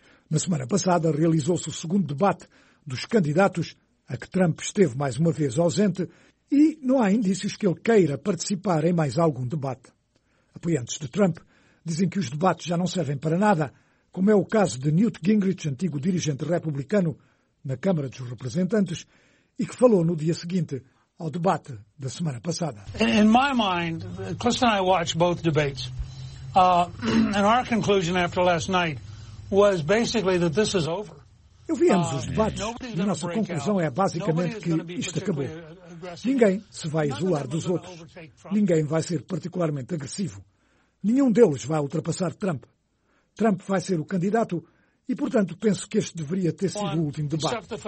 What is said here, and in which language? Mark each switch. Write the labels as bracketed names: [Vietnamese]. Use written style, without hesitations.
[Portuguese] Na semana passada, realizou-se o segundo debate dos candidatos, a que Trump esteve mais uma vez ausente, e não há indícios que ele queira participar em mais algum debate. Apoiantes de Trump dizem que os debates já não servem para nada, como é o caso de Newt Gingrich, antigo dirigente republicano, na Câmara dos Representantes, e que falou no dia seguinte ao debate da semana passada. [English] In my mind, Chris and I watched both debates. And our conclusion after last night was basically that this is over. [Portuguese] Eu viemos os debates e a nossa conclusão é basicamente que isto acabou. Ninguém se vai isolar dos outros. Ninguém vai ser particularmente agressivo. Nenhum deles vai ultrapassar Trump. Trump vai ser o candidato e, portanto, penso que este deveria ter sido o último debate.